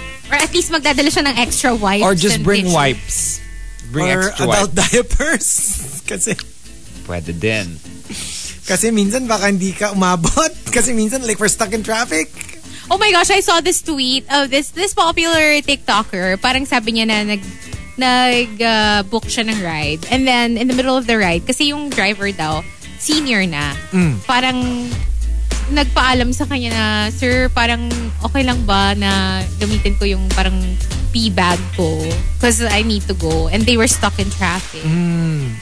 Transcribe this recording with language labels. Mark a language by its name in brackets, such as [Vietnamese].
[Filipino] Or at least magdadala siya ng extra wipes. [English] Or just bring wipes. Bring or extra adult wipes. Diapers. Kasi [Filipino] pwede din. Kasi minsan baka hindi ka umabot. Kasi minsan [English] like we're stuck in traffic. Oh my gosh, I saw this tweet of this popular TikToker. [Filipino] Parang sabi niya na nag-book siya ng ride. [English] And then in the middle of the ride, [Filipino] kasi yung driver daw, [English] senior na. Mm. [Filipino] Parang nagpaalam sa kanya na, sir, parang okay lang ba na gamitin ko yung parang pee bag ko? [English] Because I need to go. And they were stuck in traffic. Mm.